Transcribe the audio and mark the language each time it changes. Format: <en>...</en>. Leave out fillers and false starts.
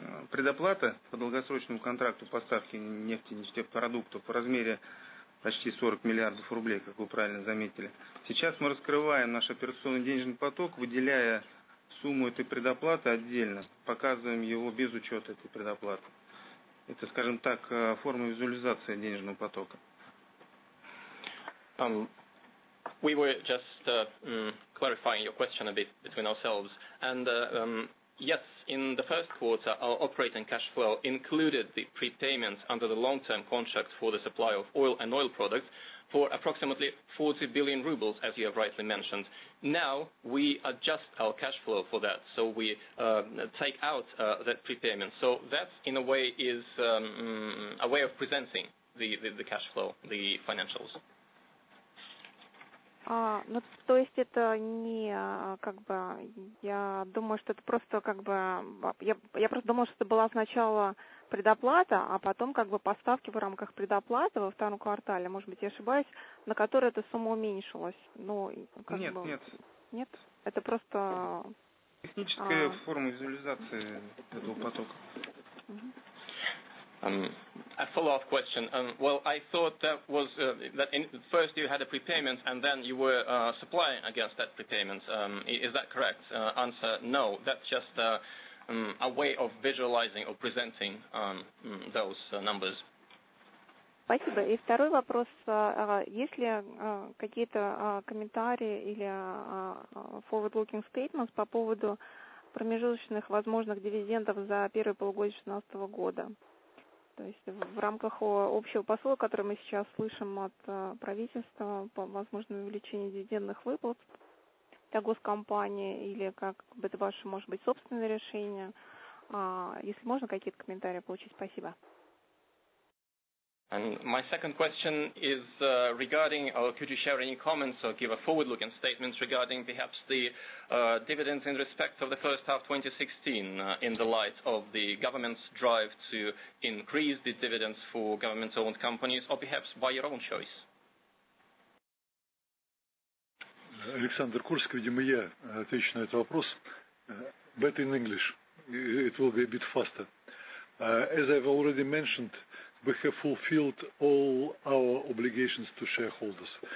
<ru>Предоплата по долгосрочному контракту поставки нефти и нефтепродуктов в размере почти 40 миллиардов рублей, как вы правильно заметили. Сейчас мы раскрываем наш операционный денежный поток, выделяя сумму этой предоплаты отдельно, показываем его без учета этой предоплаты. Это, скажем так, форма визуализации денежного потока.</ru> <en>We were just clarifying your question a bit between ourselves. And yes, in the first quarter, our operating cash flow included the prepayments under the long-term contract for the supply of oil and oil products for approximately 40 billion rubles, as you have rightly mentioned. Now, we adjust our cash flow for that, so we take out that prepayment. So that, in a way, is a way of presenting the cash flow, the financials.</en> <ru>Ну, то есть это не, как бы, я думаю, что это просто, как бы, я просто думала, что это была сначала предоплата, а потом, как бы, поставки в рамках предоплаты во втором квартале, может быть, я ошибаюсь, на которую эта сумма уменьшилась. Ну, как нет, бы, нет. Нет? Это просто... Техническая форма визуализации этого потока.</ru> <en>A follow-up question. Well, I thought that was that in, first you had a prepayment and then you were supplying against that prepayment. Is that correct? Answer, no. That's just a way of visualizing or presenting those numbers.</en> <ru>Спасибо. И второй вопрос. Есть ли какие-то комментарии или</ru> <en>forward-looking statements</en> <ru>по поводу промежуточных возможных дивидендов за первое полугодие 2016 года? То есть в рамках общего посыла, который мы сейчас слышим от правительства, по возможному увеличению дивидендных выплат для госкомпании или как бы это ваше, может быть, собственное решение. Если можно, какие-то комментарии получить. Спасибо.</ru> <en>And my second question is regarding, or could you share any comments or give a forward-looking statement regarding perhaps the dividends in respect of the first half 2016 in the light of the government's drive to increase the dividends for government-owned companies or perhaps by your own choice?</en> <ru>Александр Курск, видимо, я отвечу на этот вопрос.</ru> <en>Better in English. It will be a bit faster. As I've already mentioned, we have fulfilled all our obligations to shareholders.</en>